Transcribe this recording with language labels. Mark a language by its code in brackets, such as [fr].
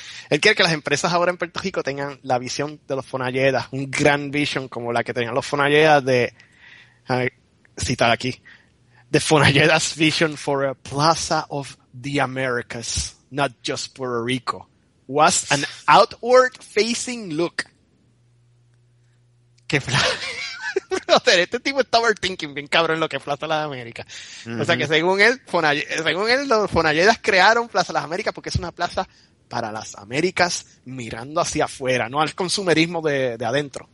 [es] Él quiere que las empresas ahora en Puerto Rico tengan la visión de los Fonalleda, un [en] grand vision [es] como la que tenían los Fonalleda de, citar aquí, de [en] Fonalleda's vision for a Plaza of the Americas, not just Puerto Rico. Was an outward facing look. [es] Que brother, este tipo está overthinking bien cabrón lo que es Plaza de las Américas. Uh-huh. O sea que según él, los Fonalledas crearon Plaza de las Américas porque es una plaza para las Américas mirando hacia afuera, no al consumerismo de adentro.